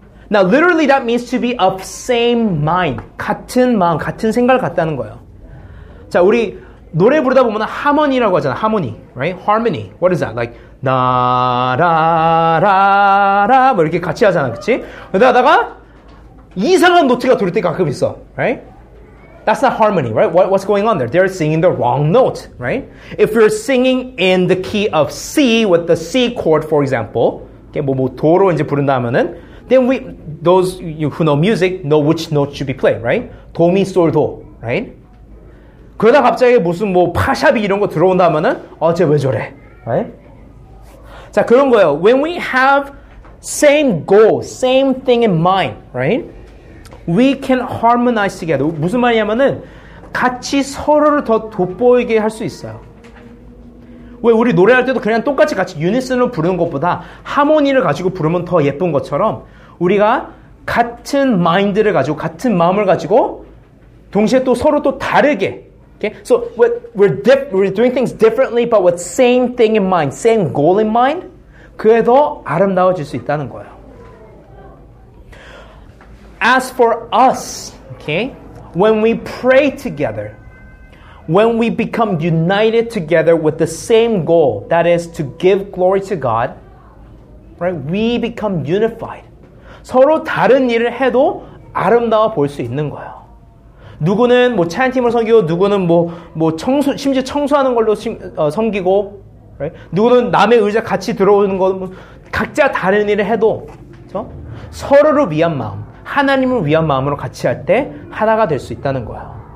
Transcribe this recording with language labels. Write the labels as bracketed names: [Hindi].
[English] Now, literally that means to be of same mind. [Korean] 같은 마음, 같은 생각을 갖다는 거예요. 자, 우리 노래 부르다 보면 하모니라고 하잖아. [English] 하모니, right? Harmony. What is that? Like, 나라라라 [Korean] 뭐 이렇게 같이 하잖아, 그치? 그러다가 이상한 노트가 돌릴 때 가끔 있어, [English] right? That's not harmony, right? What's going on there? They're singing the wrong note, right? If you're singing in the key of C with the C chord, for example, okay, [Korean] 뭐 도로 이제 부른다면은, [English] then we those you who know music know which note should be played, right? [Korean] 도미 솔 도, right? 그러다 갑자기 무슨 뭐 파샵이 이런 거 들어온다면은 어째 왜 저래, right? 자 그런 거예요. [English] When we have same goal, same thing in mind, right? We can harmonize together. [Korean] 무슨 말이냐면은 같이 서로를 더 돋보이게 할 수 있어요. 왜 우리 노래할 때도 그냥 똑같이 같이 유니슨으로 부르는 것보다 하모니를 가지고 부르면 더 예쁜 것처럼 우리가 같은 마인드를 가지고 같은 마음을 가지고 동시에 또 서로 또 다르게 okay? [English] So we're doing things differently but with same thing in mind, same goal in mind [Korean] 그게 더 아름다워질 수 있다는 거예요. [English] As for us, okay, when we pray together, when we become united together with the same goal, that is to give glory to God, right, we become unified. [Korean] 서로 다른 일을 해도 아름다워 보일 수 있는 거예요. 누구는 뭐 차인팀을 섬기고, 누구는 뭐 청소, 심지어 청소하는 걸로 섬기고, right, 누구는 남의 의자 같이 들어오는 거, 뭐, 각자 다른 일을 해도, 그쵸? 서로를 위한 마음. 하나님을 위한 마음으로 같이 할 때 하나가 될 수 있다는 거야.